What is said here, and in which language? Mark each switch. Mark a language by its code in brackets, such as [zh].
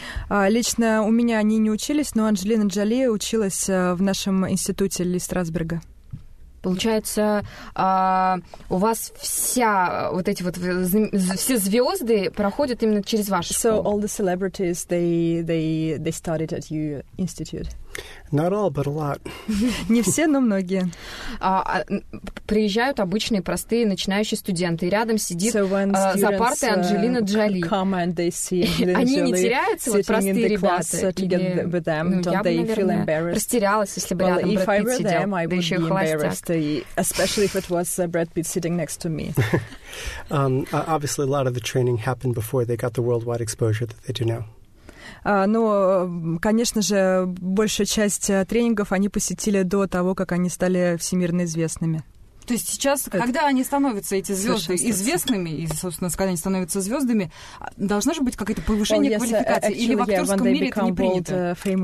[ru] Лично у меня они не учились, но Анджелина Джоли училась в нашем институте из Страсбурга. Получается, у вас вся вот эти вот все звезды проходят именно через вашу школу. [en] So all the celebrities they started at your institute. Not all, but a lot. [ru] Не все, но многие. Приезжают обычные простые начинающие студенты, и рядом сидит за партой Анджелина Джоли. Они не теряются, вот простые ребята. Я бы, наверное, растерялась, если бы рядом Брэд Питт сидел, да еще и холостяк. [en] Especially if it was Brad Pitt sitting next to me. Obviously, a lot of the training happened before they got the worldwide exposure that they do now. [ru] Но, конечно же, большая часть тренингов они посетили до того, как они стали всемирно известными. То есть сейчас, когда они становятся, эти звезды, известными, и, собственно, когда они становятся звездами, должно же быть какое-то повышение квалификации, или в актерском мире это не принято?